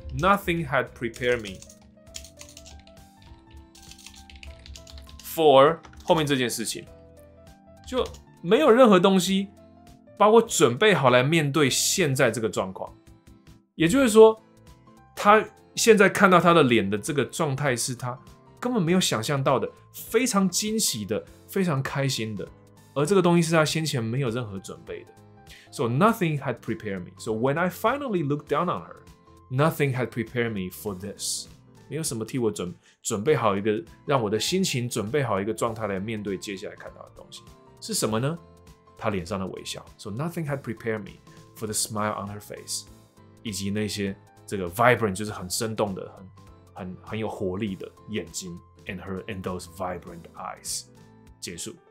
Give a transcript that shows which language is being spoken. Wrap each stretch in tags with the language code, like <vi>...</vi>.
<en>Nothing had prepared me for</en> <zh>后面这件事情，就没有任何东西把我准备好来面对现在这个状况。也就是说，他现在看到他的脸的这个状态是他根本没有想象到的，非常惊喜的，非常开心的，而这个东西是他先前没有任何准备的。</zh> <en>So nothing had prepared me. So when I finally looked down on her, nothing had prepared me for this.</en> <zh>没有什么替我准备好一个，让我的心情准备好一个状态来面对接下来看到的东西是什么呢？他脸上的微笑。</zh> <en>So nothing had prepared me for the smile on her face，</en> <zh>以及那些这个 vibrant 就是很生动的，很有活力的眼睛 ，</zh> <en>and those vibrant eyes。</en> <zh>结束。</zh>